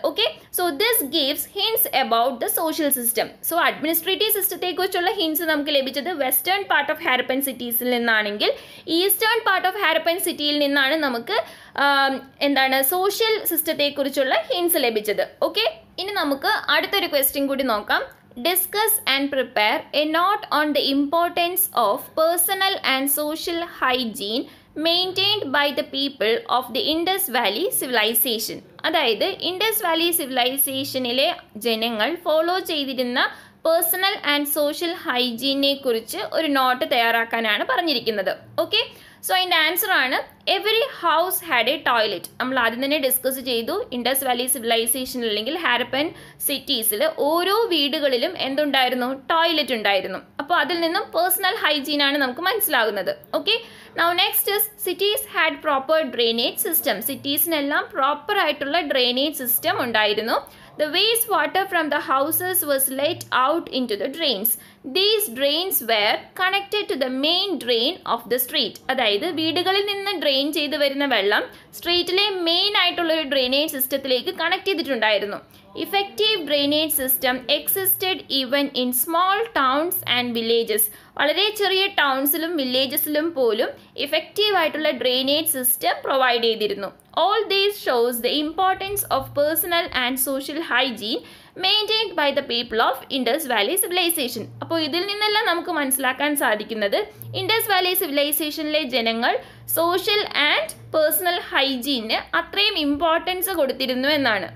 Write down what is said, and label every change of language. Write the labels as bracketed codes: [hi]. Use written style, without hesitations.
[en] Okay, so this gives hints about the social system. [ml] So administrative സിസ്റ്റത്തെക്കുറിച്ചുള്ള hints നമുക്ക് ലഭിച്ചത് western part of Harappan സിറ്റീസിൽ നിന്നാണെങ്കിൽ, eastern part of Harappan സിറ്റിയിൽ നിന്നാണ് നമുക്ക് എന്താണ് സോഷ്യൽ സിസ്റ്റത്തെക്കുറിച്ചുള്ള ഹിൻസ് ലഭിച്ചത്. ഓക്കെ, ഇനി നമുക്ക് അടുത്തൊരു ക്വസ്റ്റ്യൻ കൂടി നോക്കാം. [en] Discuss and prepare a note on the importance of personal and social hygiene maintained by the people of the Indus Valley civilization. [ml] അതായത് ഇൻഡസ് വാലി സിവിലൈസേഷനിലെ ജനങ്ങൾ ഫോളോ ചെയ്തിരുന്ന പേഴ്സണൽ ആൻഡ് സോഷ്യൽ ഹൈജീനെ കുറിച്ച് ഒരു നോട്ട് തയ്യാറാക്കാനാണ് പറഞ്ഞിരിക്കുന്നത്. [en] Okay, so അതിൻ്റെ answer ആണ് every house had a toilet. [ml] നമ്മൾ ആദ്യം തന്നെ ഡിസ്കസ് ചെയ്തു, ഇൻഡസ് വാലി സിവിലൈസേഷൻ അല്ലെങ്കിൽ ഹാരപ്പൻ സിറ്റീസിൽ ഓരോ വീടുകളിലും എന്തുണ്ടായിരുന്നു? ടോയ്ലറ്റ് ഉണ്ടായിരുന്നു. അപ്പോൾ അതിൽ നിന്നും പേഴ്സണൽ ഹൈജീൻ ആണ് നമുക്ക് മനസ്സിലാകുന്നത്. Okay, [en] Now next is cities had proper drainage system. [ml] സിറ്റീസിനെല്ലാം proper ആയിട്ടുള്ള ഡ്രെയിനേജ് സിസ്റ്റം ഉണ്ടായിരുന്നു. [en] The waste water from the houses was let out into the drains. These drains were connected to the main drain of the street. [ml] അതായത് വീടുകളിൽ നിന്ന് drain ചെയ്തു വരുന്ന വെള്ളം സ്ട്രീറ്റിലെ main ആയിട്ടുള്ളൊരു drainage സിസ്റ്റത്തിലേക്ക് കണക്ട് ചെയ്തിട്ടുണ്ടായിരുന്നു. [en] Effective drainage system existed even in small towns and villages. [ml] വളരെ ചെറിയ ടൗൺസിലും വില്ലേജസിലും പോലും ഇഫക്റ്റീവ് ആയിട്ടുള്ള ഡ്രെയിനേജ് സിസ്റ്റം പ്രൊവൈഡ് ചെയ്തിരുന്നു. [en] All these shows the importance of personal and social hygiene maintained by the people of Indus Valley civilisation. [ml] അപ്പോൾ ഇതിൽ നിന്നെല്ലാം നമുക്ക് മനസ്സിലാക്കാൻ സാധിക്കുന്നത് ഇൻഡസ് വാലി സിവിലൈസേഷനിലെ ജനങ്ങൾ സോഷ്യൽ ആൻഡ് പേഴ്സണൽ ഹൈജീന് അത്രയും ഇമ്പോർട്ടൻസ് കൊടുത്തിരുന്നു എന്നാണ്.